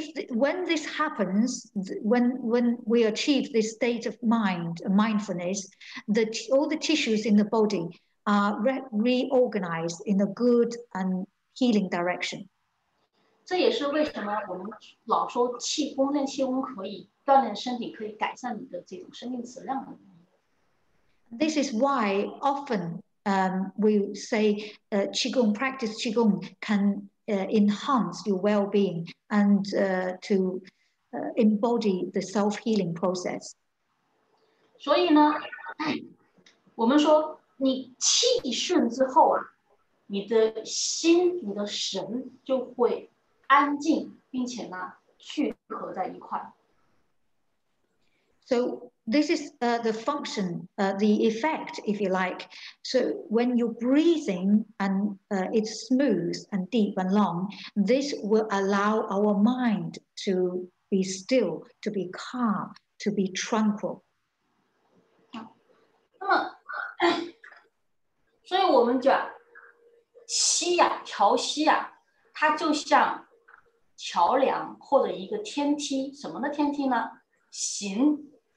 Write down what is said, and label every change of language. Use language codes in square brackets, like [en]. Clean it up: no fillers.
[en] When this happens, when we achieve this state of mind, mindfulness, all the tissues in the body are reorganized in a good and healing direction. [zh] 这也是为什么我们老说气功，练气功可以锻炼身体，可以改善你的这种生命质量的。 [en] This is why often we say Qigong practice, Qigong can enhance your well-being and to embody the self-healing process. [zh] 所以呢，我们说你气顺之后啊，你的心、你的神就会安静，并且呢聚合在一块。 [en] So this is the function, the effect, if you like. So when you're breathing and it's smooth and deep and long, this will allow our mind to be still, to be calm, to be tranquil. [zh] 所以我们讲息呀，调息呀，它就像桥梁或者一个天梯，什么的天梯呢？行。